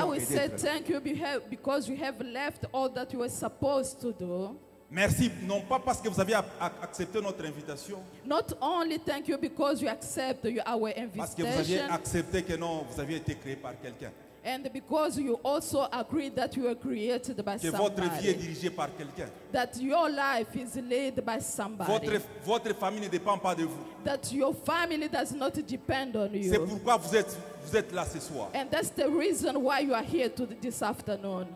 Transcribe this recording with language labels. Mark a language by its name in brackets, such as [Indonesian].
[English] And I will say thank you because you have left all that you were supposed to do. [French] Merci non pas parce que vous avez accepté notre invitation. [English] Not only thank you because you accept our invitation. [French] Parce que vous aviez accepté que non, vous aviez été créé par quelqu'un. [English] And because you also agree that you are created by somebody. [French] Que votre vie est dirigée par quelqu'un. [English] That your life is led by somebody. [French] Votre famille ne dépend pas de vous. [English] That your family does not depend on you. [French] C'est pourquoi vous êtes là ce soir. [English] And that's the reason why you are here this afternoon.